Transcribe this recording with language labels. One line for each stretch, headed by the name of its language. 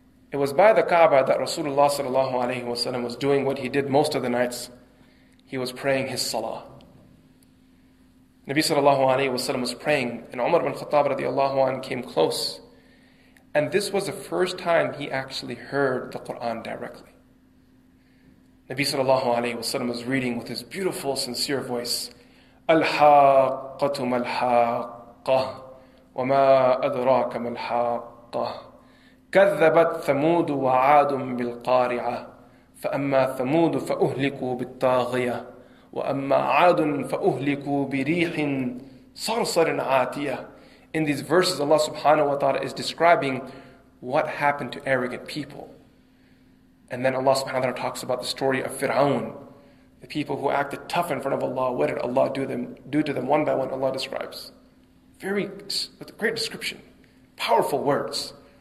English: It was by the Kaaba that Rasulullah sallallahu alayhi wa sallam was doing what he did most of the nights. He was praying his salah. Nabi sallallahu alayhi wa sallam was praying, and Umar ibn Khattab radiallahu anhu came close. And this was the first time he actually heard the Quran directly. Nabi sallallahu alayhi wa sallam was reading with his beautiful, sincere voice,
Arabic: "الحاقّة ما الحاقة وما أدراك ما الحاقة كذبت ثمود وعاد بالقارعة فأما ثمود فأهلكوا بالطاغية وأما عاد فأهلكوا بريح صرصر عاتية."
English: In these verses, Allah subhanahu wa ta'ala is describing what happened to arrogant people. And then Allah subhanahu wa ta'ala talks about the story of Fir'aun. The people who acted tough in front of Allah, what did Allah do to them one by one? Allah describes. Very great description. Powerful words.